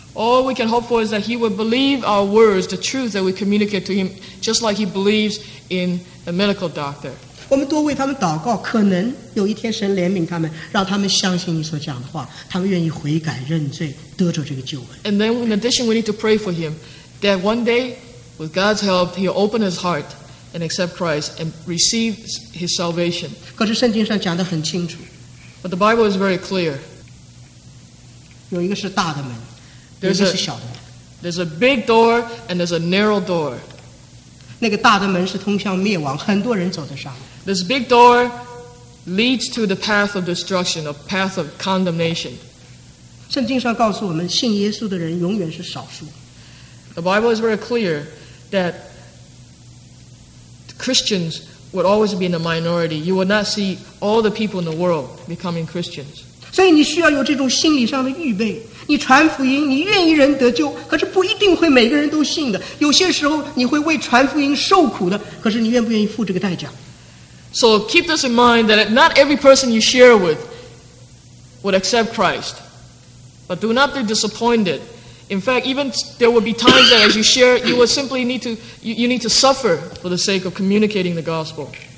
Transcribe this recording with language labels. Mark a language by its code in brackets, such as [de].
[en] All we can hope for is that he would believe our words, the truth that we communicate to him, just like he believes in a medical doctor. [zh] 我们多为他们祷告,可能有一天神怜悯他们,让他们相信你所讲的话,他们愿意悔改认罪,得着这个救恩。 [en] And then in addition, we need to pray for him, that one day, with God's help, he'll open his heart and accept Christ and receive his salvation. [zh] 可是圣经上讲得很清楚, [en] but the Bible is very clear. [zh] 有一个是大的门, [en] there's a big door and there's a narrow door. [zh] 那个大的门是通向灭亡, 很多人走得上。 [en] This big door leads to the path of destruction, a path of condemnation. [zh] 圣经上告诉我们, 信耶稣的人永远是少数。 [en] The Bible is very clear that Christians would always be in the minority. You would not see all the people in the world becoming Christians. [zh] 所以你需要有这种心理上的预备。你传福音，你愿意人得救，可是不一定会每个人都信的。有些时候你会为传福音受苦的，可是你愿不愿意付这个代价？ [en] So keep this in mind that not every person you share with would accept Christ. But do not be disappointed. In fact, even there will be times that as you share, you will simply need to, you need to suffer for the sake of communicating the gospel.